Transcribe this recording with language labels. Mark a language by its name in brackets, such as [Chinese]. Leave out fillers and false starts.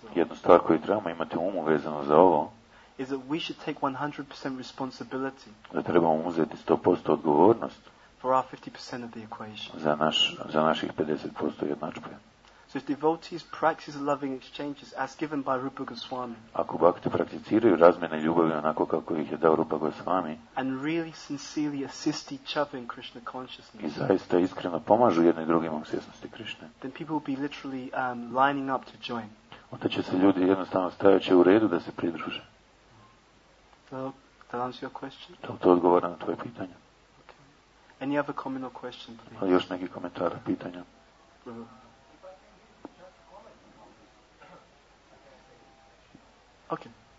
[Croatian] jednu stvar koju trebamo imati umu vezano za ovo, [English] is that we should take 100% responsibility, [Croatian] da trebamo uzeti 100% odgovornost, [English] for our 50% of the equation, [Croatian] za naših 50% jednadžbe. [English] So if devotees practice loving exchanges as given by Rupa Goswami, [Croatian] ako bhakti prakticiraju razmjene ljubavi onako kako ih je dao Rupa Goswami, [English] and really sincerely assist each other in Krishna consciousness, [Croatian] i zaista iskreno pomažu jedni drugima u svjesnosti Krishne, [English] then people will be literally lining up to join. [Croatian] Onda će se ljudi jednostavno stajati u redu da se pridruže. [English] That answer your question? [Croatian] To odgovara na tvoje pitanje. [English] Okay. Any other comment or question, please? [Croatian] Još neki komentar, pitanja. [English] Okay.